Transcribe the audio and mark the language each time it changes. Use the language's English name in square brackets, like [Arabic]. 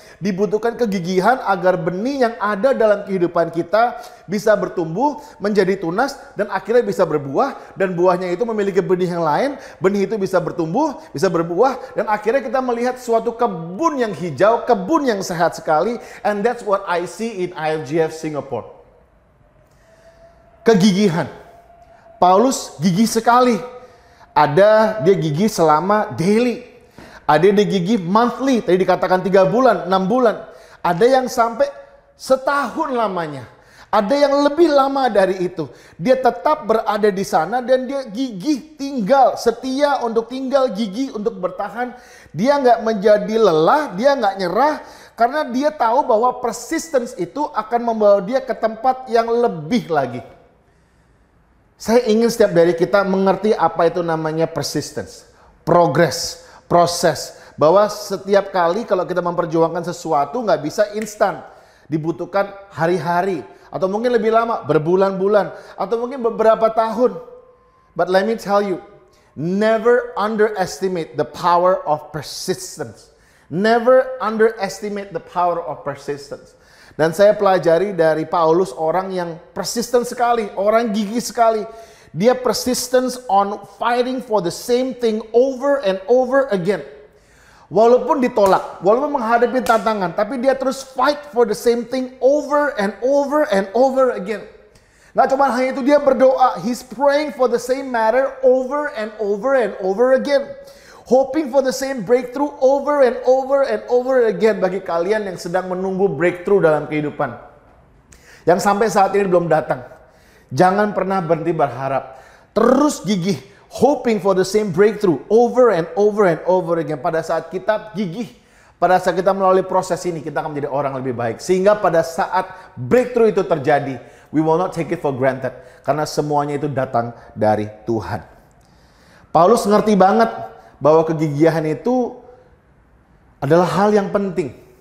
[Indonesian] Dibutuhkan kegigihan agar benih yang ada dalam kehidupan kita bisa bertumbuh, menjadi tunas dan akhirnya bisa berbuah. Dan buahnya itu memiliki benih yang lain, benih itu bisa bertumbuh, bisa berbuah. Dan akhirnya kita melihat suatu kebun yang hijau, kebun yang sehat sekali. [English] And that's what I see in IFGF Singapore. [Indonesian] Kegigihan. Paulus gigih sekali. Ada dia gigih selama daily. Ada dia gigih monthly. Tadi dikatakan 3 bulan, 6 bulan. Ada yang sampai setahun lamanya. Ada yang lebih lama dari itu. Dia tetap berada di sana dan dia gigih tinggal. Setia untuk tinggal, gigih untuk bertahan. Dia gak menjadi lelah, dia gak nyerah. Karena dia tahu bahwa persistence itu akan membawa dia ke tempat yang lebih lagi. Saya ingin setiap dari kita mengerti apa itu namanya persistence, progress, proses. Bahwa setiap kali kalau kita memperjuangkan sesuatu gak bisa instan. Dibutuhkan hari-hari, atau mungkin lebih lama, berbulan-bulan, atau mungkin beberapa tahun. [English] But let me tell you, never underestimate the power of persistence. Never underestimate the power of persistence. [Indonesian] Dan saya pelajari dari Paulus, orang yang persistent sekali, orang gigih sekali. [English] Dia persistence on fighting for the same thing over and over again. [Indonesian] Walaupun ditolak, walaupun menghadapi tantangan, tapi dia terus fight for the same thing over and over and over again. Nggak cuma hanya itu, dia berdoa. [English] He's praying for the same matter over and over and over again. Hoping for the same breakthrough over and over and over again. [Indonesian] Bagi kalian yang sedang menunggu breakthrough dalam kehidupan, yang sampai saat ini belum datang, jangan pernah berhenti berharap. [English] Terus gigih, hoping for the same breakthrough over and over and over again. Pada saat kita gigih, pada saat kita melalui proses ini, kita akan menjadi orang lebih baik. Sehingga pada saat breakthrough itu terjadi, we will not take it for granted. [Indonesian] Karena semuanya itu datang dari Tuhan. Paulus ngerti banget bahwa kegigihan itu adalah hal yang penting.